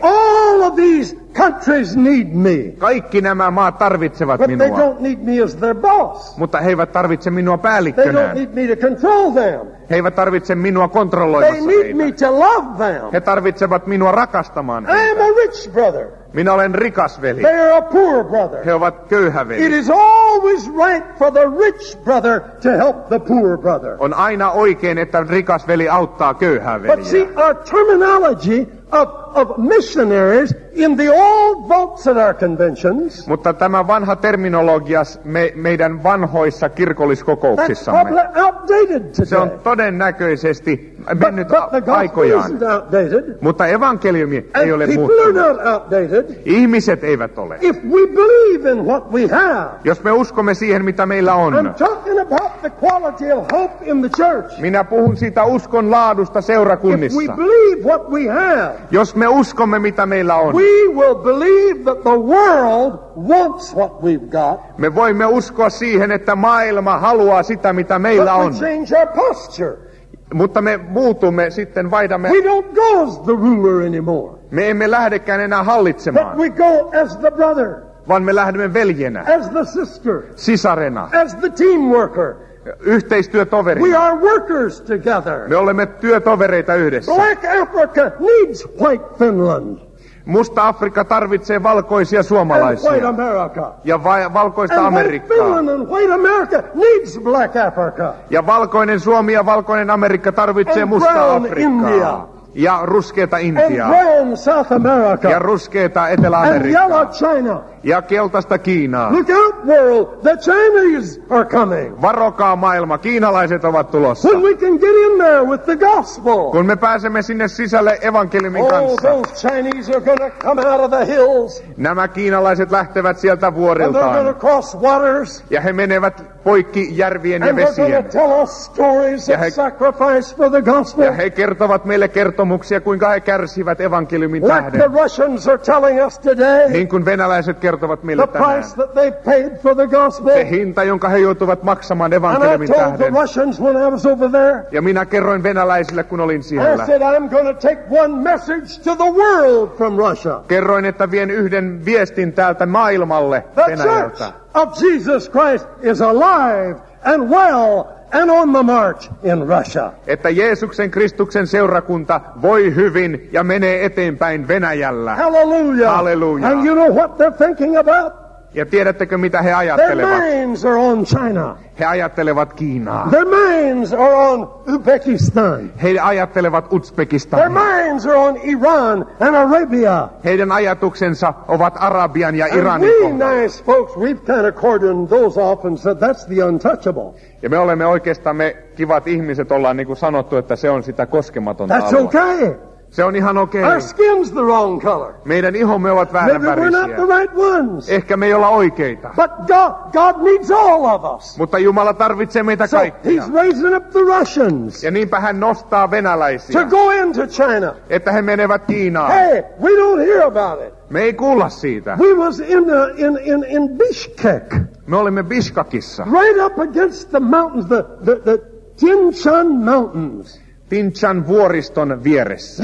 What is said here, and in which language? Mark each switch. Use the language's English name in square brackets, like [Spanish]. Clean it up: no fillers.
[English] All of these countries need me. [Finnish] Kaikki nämä maat tarvitsevat [English] but [Finnish] minua. [English] They don't need me as their boss. [Finnish] Mutta he eivät tarvitse minua päällikkönään. [English] They don't need me to control them. [Finnish] He eivät tarvitse minua kontrolloimassa [English] they need [Finnish] heitä. [English] Me to love them. [Finnish] He tarvitsevat minua rakastamaan heitä. [English] I am a rich brother. [Finnish] Minä olen rikas veli. [English] They are a poor brother. [Finnish] He ovat köyhä veli. [English] It is always right for the rich brother to help the poor brother. [Finnish] On aina oikein, että rikas veli auttaa köyhää veliä. [English] But see, our terminology of missionaries in the old votes at our conventions. [Finnish] Mutta tämä vanha terminologia meidän vanhoissa kirkolliskokouksissamme. Se on todennäköisesti mennyt aikojaan. Mutta evankeliumi ei ole muuttunut. Ihmiset eivät ole. [English] If we believe in what we have. [Finnish] Jos me uskomme siihen, mitä meillä on. [English] I'm talking about the quality of hope in the church. [Finnish] Minä puhun siitä uskon laadusta seurakunnissa. [English] If we believe what we have. [Finnish] Jos me uskomme, mitä meillä on. [English] We will believe that the world wants what we've got. [Finnish] Me voimme uskoa siihen, että maailma haluaa sitä, mitä meillä on. [English] But we change our posture. [Finnish] Mutta me muutumme, sitten vaihdamme. [English] We don't go as the ruler anymore. [Finnish] Me emme lähdekään enää hallitsemaan. [English] But we go as the brother. [Finnish] vaan me lähdemme veljenä. [English] As the sister. [Finnish] Sisarena. [English] As the team worker. [Finnish] Yhteistyötoverina. [English] We are workers together. [Finnish] Me olemme työtovereita yhdessä. [English] Black Africa needs white Finland. [Finnish] Musta Afrikka tarvitsee valkoisia suomalaisia. [English] And white America. [Finnish] Ja valkoista [English] and [Finnish] Amerikkaa. [English] White Finland and white America needs black Africa. [Finnish] Ja valkoinen Suomi ja valkoinen Amerikka tarvitsee [English] and [Finnish] musta [English] brown [Finnish] Afrikkaa. [English] India. [Finnish] Ja ruskeita Intiaa. [English] And brown South America. [Finnish] Ja ruskeita Etelä-Amerikkaa. [English] And yellow China. [Finnish] Ja keltaista Kiinaa. [English] Look out, world. The Chinese are coming. [Finnish] Varokaa maailma, kiinalaiset ovat tulossa. [English] When we can get in there with the gospel. [Finnish] Kun me pääsemme sinne sisälle evankeliumin kanssa. [English] All those Chinese are gonna come out of the hills. [Finnish] Nämä kiinalaiset lähtevät sieltä vuoriltaan. [English] And they're gonna cross waters. [Finnish] Ja he menevät poikki järvien ja vesien. [English] And they're gonna tell us stories of sacrifice for the gospel. [Finnish] Ja he kertovat meille kertomuksia, kuinka he kärsivät evankeliumin tähden. [English] Like the Russians are telling us today. [Finnish] Niin kuin venäläiset kertovat meille tänään. [English] The price that they paid for the gospel. [Finnish] Se hinta, jonka he joutuvat maksamaan evankeliumin tähden. [English] And I told the Russians when I was over there. [Finnish] Ja minä kerroin venäläisille, kun olin siellä. [English] I said I'm going to take one message to the world from Russia. [Finnish] Kerroin, että vien yhden viestin täältä maailmalle Venäjältä. [English] The church of Jesus Christ is alive and well and on the march in Russia. [Finnish] Että Jeesuksen Kristuksen seurakunta voi hyvin ja menee eteenpäin Venäjällä. [English] Hallelujah. [Finnish] Hallelujah. [English] And you know what they're thinking about? [Finnish] Ja tiedättekö, mitä he ajattelevat? [English] Their minds are on China. [Finnish] He ajattelevat Kiinaa. [English] Their minds are on Uzbekistan. [Finnish] He ajattelevat Uzbekistania. [English] Their minds are on Iran and Arabia. [Finnish] Heidän ajatuksensa ovat Arabian ja Iranin [English] And we nice folks, we've kind of cordoned those off and said that's the untouchable. [Finnish] Ja me olemme oikeastaan, me kivat ihmiset ollaan niin kuin sanottu, että se on sitä koskematonta alueella. [English] That's okay. [Finnish] Se on ihan okei. [English] Our skin's the wrong color. [Finnish] Meidän ihomme ovat väärän värisiä. [English] We're not the right ones. [Finnish] Ehkä me ei olla oikeita. [English] But God needs all of us. [Finnish] Mutta Jumala tarvitsee meitä [English] so [Finnish] kaikkia. [English] He's raising up the Russians. [Finnish] Ja niinpä hän nostaa venäläisiä. [English] To go into China. [Finnish] Että he menevät Kiinaan. [English] Hey, we don't hear about it. [Finnish] Me ei kuulla siitä. [English] We was in Bishkek. [Finnish] Me olimme Bishkekissa. [English] Right up against the mountains, the Tien Shan Mountains. [Finnish] Tinchan vuoriston vieressä.